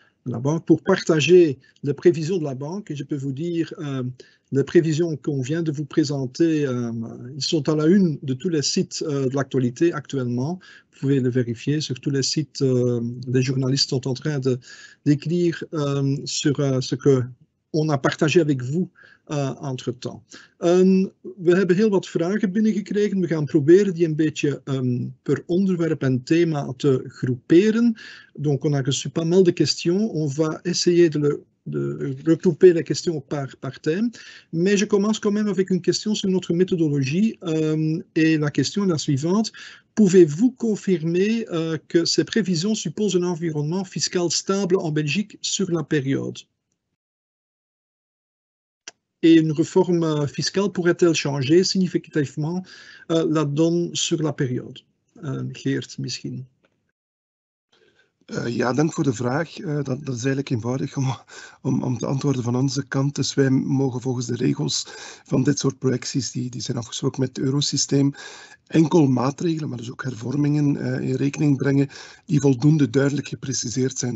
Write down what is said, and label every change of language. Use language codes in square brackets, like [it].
[fr] La banque, pour partager les prévisions de la banque, et je peux vous dire les prévisions qu'on vient de vous présenter, ils sont à la une de tous les sites de l'actualité actuellement. Vous pouvez le vérifier sur tous les sites, les journalistes sont en train d'écrire sur ce que on a partagé avec vous entre-temps. [nl] We hebben heel wat vragen binnengekregen. We gaan proberen die een beetje per onderwerp en thema te groeperen. [fr] Donc, on a reçu pas mal de questions. On va essayer de regrouper les questions par thème. Mais je commence quand même avec une question sur notre méthodologie. Et la question est la suivante. Pouvez-vous confirmer que ces prévisions supposent un environnement fiscal stable en Belgique sur la période? Et une réforme fiscale pourrait-elle changer significativement la donne sur la période? [nl] Geert, misschien. Ja, dank voor de vraag. Dat is eigenlijk eenvoudig om te antwoorden van onze kant. Dus wij mogen volgens de regels van dit soort projecties, die zijn afgesproken met het eurosysteem, enkel maatregelen, maar dus ook hervormingen in rekening brengen die voldoende duidelijk gepreciseerd zijn.